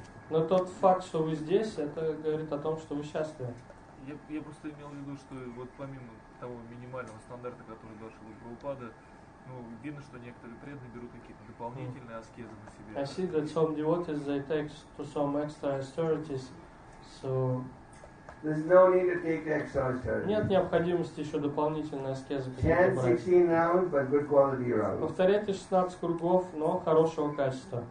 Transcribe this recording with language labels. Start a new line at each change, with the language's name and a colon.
Russian: Но тот факт, что вы здесь, это говорит о том, что вы счастливы. Я просто имел в виду, что вот помимо того минимального стандарта, который дошел до Прабхупады, ну, видно, что некоторые преданные берут какие-то дополнительные аскезы на себя.
English: I see that some devotees, they take to some extra austerities, so... There's no need to take extra austerities.
Russian: Нет необходимости еще дополнительные аскезы.
English: Chant 16 rounds, but good quality rounds.
Russian: Повторяйте 16 кругов, но хорошего качества.